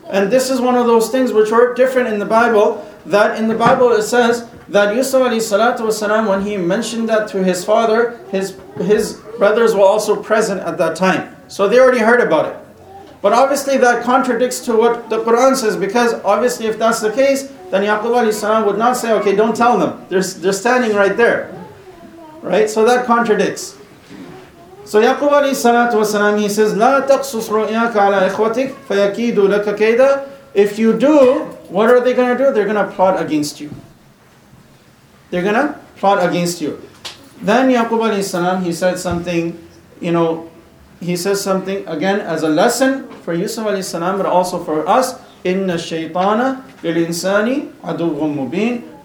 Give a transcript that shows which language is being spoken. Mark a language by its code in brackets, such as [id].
[en] And this is one of those things which were different in the Bible, that in the Bible it says that Yusuf alayhi salatu wasalam, when he mentioned that to his father, his brothers were also present at that time. So they already heard about it. But obviously that contradicts to what the Quran says, because obviously if that's the case, then Yaqub alayhi salam would not say, okay, don't tell them. They're standing right there. Right? So that contradicts. So Yaqub alayhi salatu wasalam, he says, [ar] لَا تَقْصُصْ رُؤْيَاكَ عَلَىٰ إِخْوَتِكَ فَيَكِيدُوا لَكَ كَيْدًا. [en] If you do, what are they going to do? They're going to plot against you. They're going to plot against you. Then Yaqub alayhi salam, he said something, you know, he says something again as a lesson for Yusuf alayhi salam, but also for us. [ar] إِنَّ الشَّيْطَانَ لِلْإِنسَانِ عَدُوٌّ مُبِينٌ.